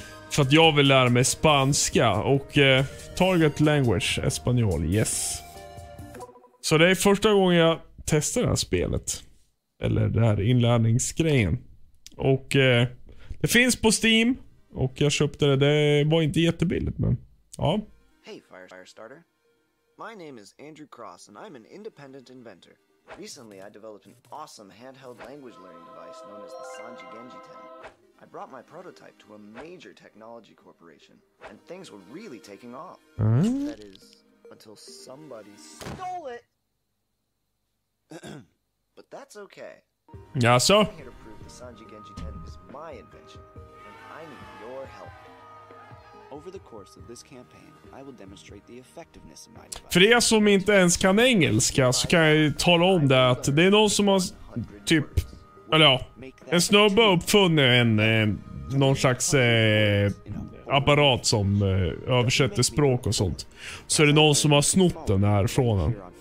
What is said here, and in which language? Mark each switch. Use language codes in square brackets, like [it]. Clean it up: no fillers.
[sv] För att jag vill lära mig spanska. Och [en] target language, espanol, yes. [sv] Så det är första gången jag testar det här spelet. Eller det här inlärningsgrejen. Och det finns på Steam. Och jag köpte det, det var inte jättebilligt, men ja. [en] Hey Firestarter. My name is Andrew Cross and I'm an independent inventor. Recently, I developed an awesome handheld language learning device known as the Sanji Genji 10. I brought my prototype to a major technology corporation, and things were really taking off. Mm. That is, until somebody stole it! But that's okay. Yeah, so? I'm here to prove the Sanji Genji 10 is my invention, and I need your help. Over the course of this campaign, I will demonstrate the effectiveness of my device. [sv] För er som inte ens kan engelska så kan jag ju tala om det att det är någon som har typ, eller ja, en snubbe uppfunnit någon slags apparat som översätter språk och sånt. Så är det någon som har snott den här från den.